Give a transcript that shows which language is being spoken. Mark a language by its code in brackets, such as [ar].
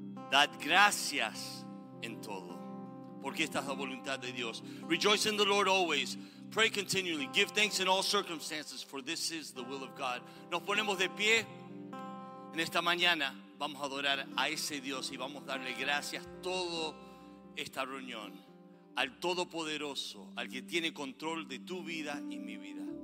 [es] Dad gracias en todo, porque esta es la voluntad de Dios. [en] Rejoice in the Lord always. Pray continually. Give thanks in all circumstances, for this is the will of God. [es] Nos ponemos de pie en esta mañana. Vamos a adorar a ese Dios y vamos a darle gracias toda esta reunión al Todopoderoso, al que tiene control de tu vida y mi vida.